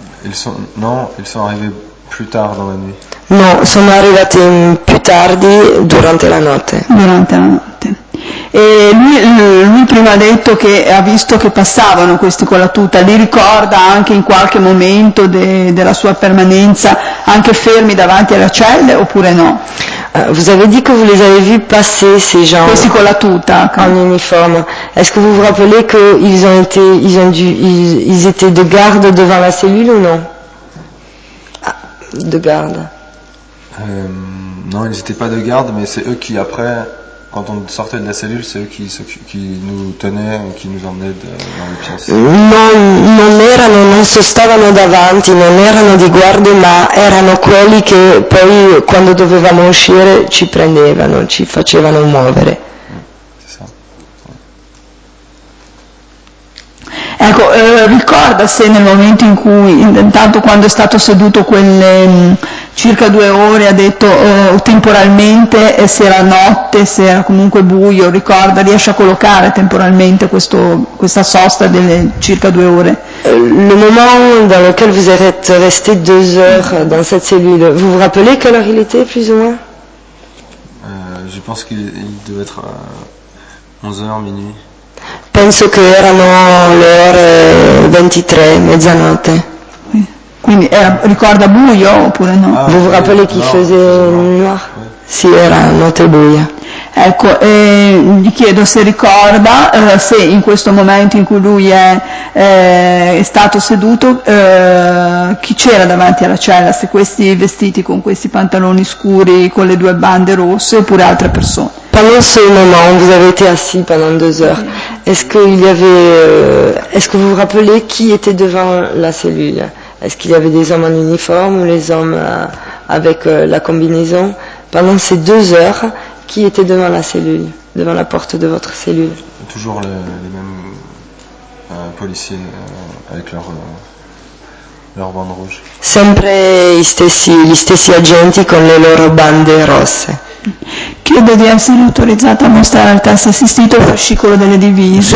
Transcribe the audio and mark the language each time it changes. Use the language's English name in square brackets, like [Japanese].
[French] Ils sont arrivés plus tard dans la nuit. [Italian] Non, sono arrivati più tardi durante la notte. Durante la notte. E lui prima ha detto che ha visto che passavano questi con la tuta, li ricorda anche in qualche momento della sua permanenza anche fermi davanti alle celle oppure no? [French] Vous avez dit que vous les avez vus passer ces gens. [Italian] Questi con la tuta, [French] en uniforme. Est-ce que vous vous rappelez que ils étaient de garde devant la cellule ou non? De garde. Non, ils n'étaient pas de garde, mais c'est eux qui après quand on sortait de la cellule, c'est eux qui nous tenaient, qui nous emmenaient dans les pièces. [Italian] Non si stavano davanti, non erano di guardia, ma erano quelli che poi quando dovevamo uscire ci prendevano, ci facevano muovere. Ecco, ricorda se nel momento in cui, intanto quando è stato seduto quelle circa due ore, ha detto temporalmente se era notte, se era comunque buio, ricorda, riesce a collocare temporalmente questa sosta delle circa due ore? [French] Le moment dans lequel vous êtes resté deux heures dans cette cellule, vous vous rappelez quelle heure il était plus ou moins? Je pense qu'il devait être 11h, minuit. [Italian] Penso che erano le ore 23, mezzanotte. Quindi ricorda buio oppure no? [French] Ah, vous vous rappelez qui faisait noir? [Italian] Sì, era notte buia. Ecco, gli chiedo se ricorda se in questo momento in cui lui è stato seduto, chi c'era davanti alla cella, se questi vestiti con questi pantaloni scuri con le due bande rosse oppure altre persone. [French] Pendant ce moment, vous avez été assis pendant deux heures. Est-ce que vous vous rappelez qui était devant la cellule? Est-ce qu'il y avait des hommes en uniforme ou les hommes avec la combinaison? Pendant ces deux heures, qui était devant la cellule, devant la porte de votre cellule? Toujours les mêmes policiers avec leur bande rouge. [Italian] Sempre gli stessi agenti con le loro bande rosse. Chiedo di essere autorizzata a mostrare al test assistito il fascicolo delle divise.